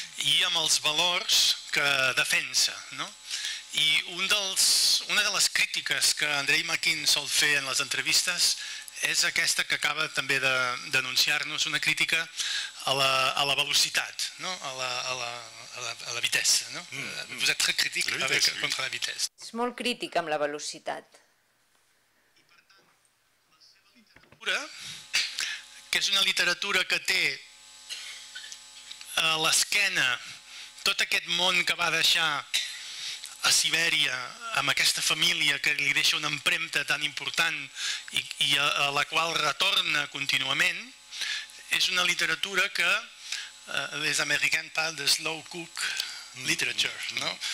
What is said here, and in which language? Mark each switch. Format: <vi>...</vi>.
<ca>I amb els valors que defensa, no? I una de les crítiques que Andrei Makin sol fer en les entrevistes és aquesta que acaba també de denunciar-nos, una crítica a la velocitat, no?</ca> <fr>A la vitesse, no? Vous êtes très critique avec, contre la vitesse.</fr> <ca>És molt crític amb la velocitat. I per tant, la que és una literatura que té a l'esquena tot aquest món que va deixar a Sibèria amb aquesta família que li deixa una empremta tan important i a la qual retorna contínuament, és una literatura que les americans parlen de slow cook literature, no?</ca>